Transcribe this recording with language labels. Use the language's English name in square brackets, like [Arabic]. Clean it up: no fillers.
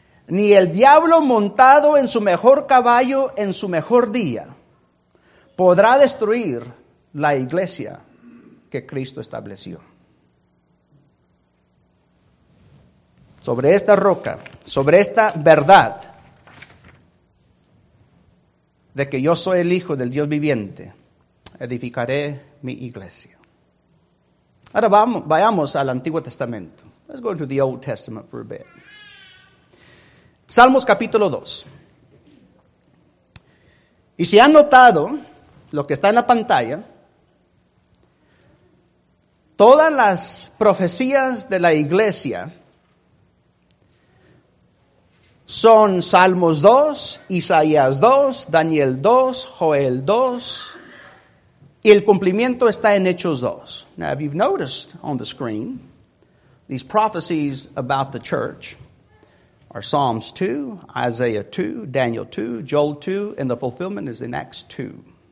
[Spanish] Ni el diablo montado en su mejor caballo, en su mejor día, podrá destruir la iglesia que Cristo estableció. Sobre esta roca sobre esta verdad de que yo soy el Hijo del Dios viviente, edificaré mi iglesia. Ahora vayamos al Antiguo Testamento. [English] Let's go to the Old Testament for a bit. [Spanish] Salmos capítulo 2. Y si han notado lo que está en la pantalla, todas las profecías de la iglesia son Salmos 2, Isaías 2, Daniel 2, Joel 2, y el cumplimiento está en Hechos 2. [English] Now, if you've noticed on the screen, these prophecies about the church are Psalms 2, Isaiah 2, Daniel 2, Joel 2, and the fulfillment is in Acts 2.